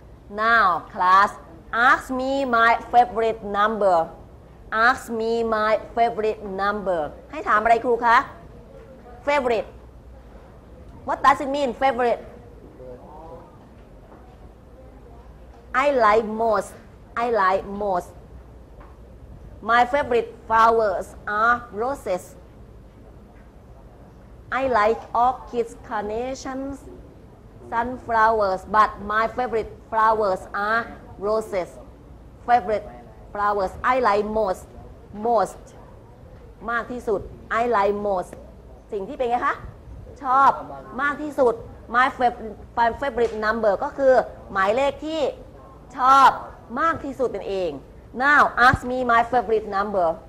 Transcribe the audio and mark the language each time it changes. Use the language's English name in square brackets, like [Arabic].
[English] Now, class, ask me my favorite number. Ask me my favorite number. [Thai] ให้ถามอะไรครูคะ Favorite. [English] What does it mean, favorite? I like most. I like most. My favorite flowers are roses. I like orchids, carnations. Sunflowers, but my favorite flowers are roses. Favorite flowers. I like most. Most. มากที่สุด. I like most. [Thai] สิ่งที่เป็นไงคะ? ชอบ. มากที่สุด. [English] My favorite number [Thai] ก็คือหมายเลขที่ชอบมากที่สุดนั่นเอง. [English] Now, ask me my favorite number.